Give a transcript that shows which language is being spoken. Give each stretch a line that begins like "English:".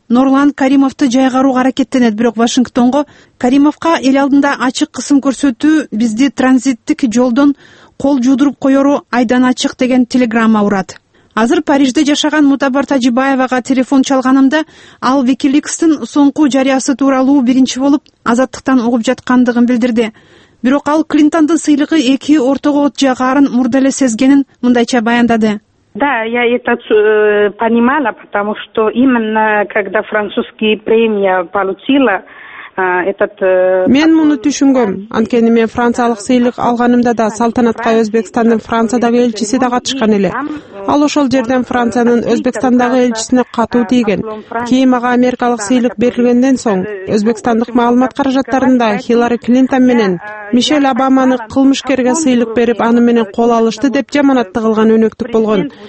Kyrgyz: Норланд Каримовду жайгарууга аракеттенет, бирок Вашингтонго Каримовго эл алдында ачык кысым көрсөтүү бизди транзиттик жолдон кол жуудуруп коёру айдан ачык деген телеграмма урат. Азыр Парижде жашаган Мутабар Тажибаевага телефон чалганымда, ал WikiLeaks'тин соңку жарыясы тууралуу биринчи болуп азаттыктан угуп жаткандыгын билдирди. Бирок ал Клинтондун сыйлыгы эки ортого от жагарын мурда эле сезгенин мындайча баяндады.
Russian: Да, я это понимала, потому что именно когда французский премия получила,
Kyrgyz: мен муну түшүнгөм. Анткени мен франциялык сыйлык алганымда да салтанатка Өзбекстандын Франциядагы элчиси да катышкан эле. Ал ошол жерден Франциянын Өзбекстандагы элчисине катуу тийген. Кийин мага Америкалык сыйлык берилгенден соң Өзбекстандык маалымат каражаттарында Хиллари Клинтон менен Мишель Обаманы кылмышкерге сыйлык берип, аны менен кол алышты деп жаманат тыгылган өнөктүк болгон.